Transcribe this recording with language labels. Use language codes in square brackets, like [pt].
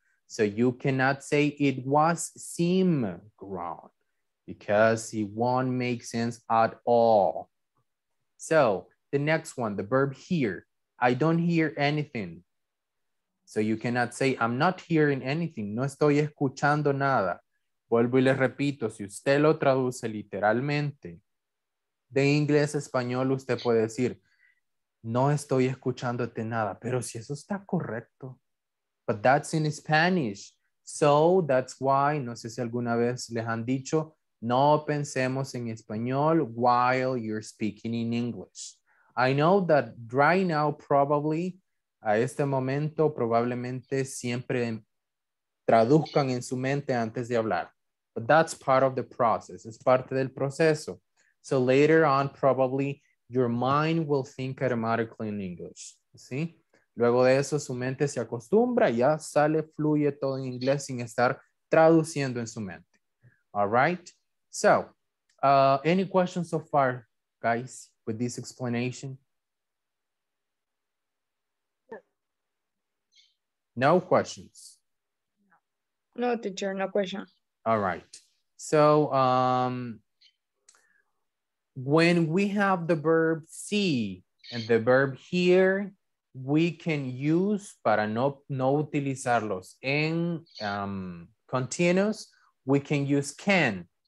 [en] So you cannot say it was seem wrong, because it won't make sense at all. So the next one, the verb hear. I don't hear anything. So you cannot say, I'm not hearing anything. [es] No estoy escuchando nada. Vuelvo y le repito, si usted lo traduce literalmente, de inglés a español, usted puede decir, no estoy escuchándote nada. Pero si eso está correcto. [en] But that's in Spanish. So that's why, [es] no sé si alguna vez les han dicho, no pensemos en español [en] while you're speaking in English. I know that right now, probably, [es] a este momento, probablemente siempre traduzcan en su mente antes de hablar. [en] But that's part of the process. [es] Es parte del proceso. [en] So later on, probably your mind will think automatically in English. [es] ¿Sí? Luego de eso, su mente se acostumbra, ya sale, fluye todo en inglés sin estar traduciendo en su mente. [en] All right? So, any questions so far, guys, with this explanation? No questions? No, teacher, no question. All right. So, when we have the verb see and the verb hear, we can use, [es] para no utilizarlos en [en] continuous, we can use can.